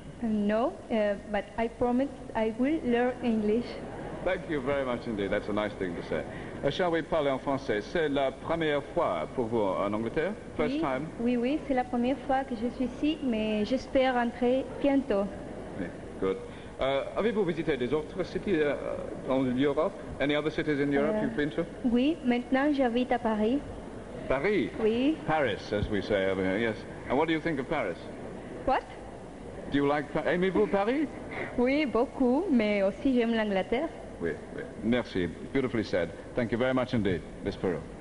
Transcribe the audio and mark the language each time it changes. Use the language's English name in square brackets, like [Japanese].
[English] No, but I promise I will learn English. Thank you very much indeed. That's a nice thing to say. Shall we [French] parler en français? C'est la première fois pour vous en Angleterre? [English] First [French] oui. [English] Time? [French] Oui, oui, c'est la première fois que je suis ici, mais j'espère rentrer bientôt. Oui, [English] good. [French] Avez-vous visité des autres cities en Europe? [English] Any other cities in Europe you've been to? [French] Oui, maintenant j'habite à Paris. Paris? Oui. [English] Paris, as we say over here, yes. And what do you think of Paris? What? Do you like Paris? [French] Aimez-vous Paris? Oui, beaucoup, mais aussi j'aime l'Angleterre. Oui, oui. Merci. [English] Beautifully said. Thank you very much indeed, Miss Peru.